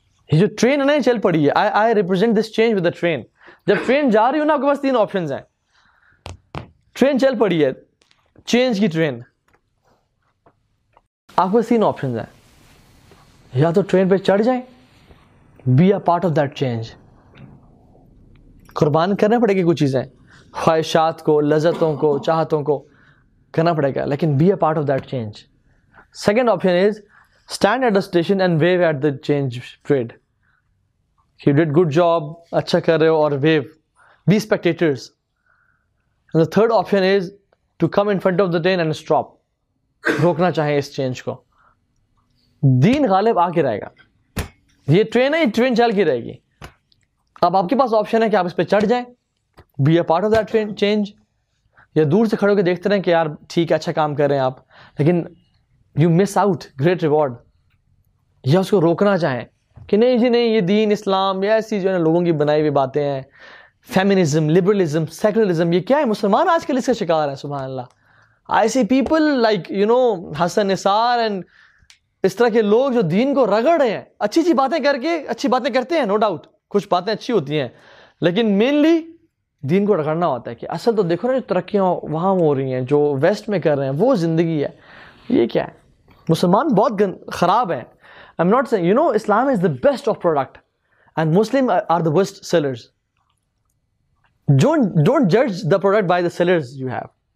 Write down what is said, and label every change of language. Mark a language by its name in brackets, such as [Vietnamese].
[Hindi] ये जो ट्रेन है ना ये चल पड़ी है, [English] I represent this change with the train. [Hindi] जब ट्रेन जा रही हो ना आपके पास तीन ऑप्शंस हैं, ट्रेन चल पड़ी है चेंज की ट्रेन, आपके पास तीन ऑप्शंस हैं, या तो ट्रेन पे चढ़ जाएं, [English] Be a part of that change. [Hindi] कुर्बान करना पड़ेगा कुछ चीजें, ख्वाहिशात को, लज्जतों को, चाहतों को करना पड़ेगा, लेकिन [English] Be a part of that change. Second option is stand at the station and wave at the change trade. He did good job, [Hindi] अच्छा कर रहे हो [English] और wave, be spectators. And the third option is to come in front of the train and stop. [Hindi] रोकना चाहे इस change को. दीन गालिब आके रहेगा, ये ट्रेन है, ये ट्रेन चल के रहेगी. अब आपके पास ऑप्शन है कि आप इस पर चढ़ जाएं, [English] be a part of that train change, [Hindi] या दूर से खड़े होकर देखते रहें कि यार ठीक है अच्छा काम कर रहे हैं आप, लेकिन [English] You miss out great reward. [Hindi] या उसको रोकना चाहें कि नहीं जी नहीं, ये दीन इस्लाम या ऐसी जो है लोगों की बनाई हुई बातें हैं, फेमिनिज्म, लिबरलिज्म, सेकुलरिज्म, ये क्या है, मुसलमान आजकल इसका शिकार है. सुभान अल्लाह, [English] I see people like you know [Hindi] Hasan Nisar and इस तरह के लोग जो दीन को रगड़ रहे हैं. अच्छी अच्छी बातें करके, अच्छी बातें करते हैं नो डाउट, कुछ बातें अच्छी होती हैं, लेकिन मेनली दीन को रगड़ना होता है कि असल तो देखो ना जो तरक्कियाँ वहाँ हो रही हैं, जो वेस्ट में कर रहे हैं वो ज़िंदगी है, ये क्या है. मुसलमान बहुत ख़राब हैं. [English] I'm not saying, you know, Islam is the best of product and Muslims are the worst sellers. Don't judge the product by the sellers you have.